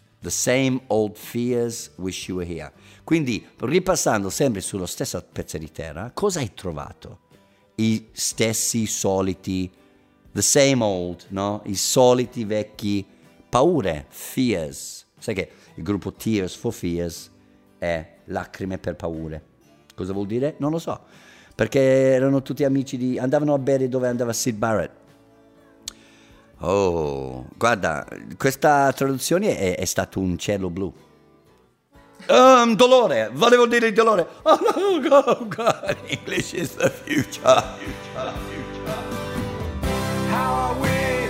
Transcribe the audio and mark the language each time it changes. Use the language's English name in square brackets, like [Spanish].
[English] The same old fears wish you were here. [Italian] Quindi, ripassando sempre sulla stessa pezza di terra, cosa hai trovato? I stessi soliti, [English] the same old, [Italian] no? I soliti vecchi paure, fears. Sai che il gruppo Tears for Fears è lacrime per paure. Cosa vuol dire? Non lo so. Perché erano tutti amici di... Andavano a bere dove andava Syd Barrett. Oh, guarda, questa traduzione è stato un cielo blu. Dolore! Volevo dire dolore! [English] Oh no, oh God! English is the future! How are we?